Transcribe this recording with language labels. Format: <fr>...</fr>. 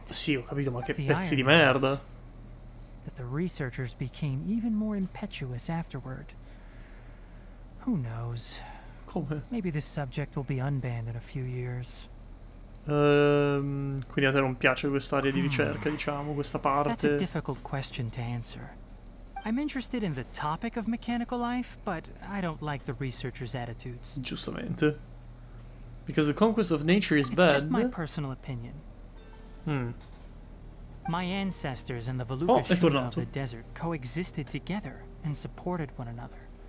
<it>Sì, ho capito, ma che pezzi di merda.</it> <en>That the researchers became even more impetuous afterward. Who knows?</en> <it>Come?</it> <en>Maybe this subject will be unbanned in a few years.</en> <it>Quindi a te non piace quest'area di ricerca, diciamo, questa parte.</it> <en>That's a difficult question to answer. I'm interested in the topic of mechanical life, but I don't like the researchers' attitudes.</en> <it>Giustamente.</it> <en>Because the conquest of nature is it's bad. Just my personal opinion. Hmm. My ancestors and the Veluca of the desert coexisted together and supported one another.</en>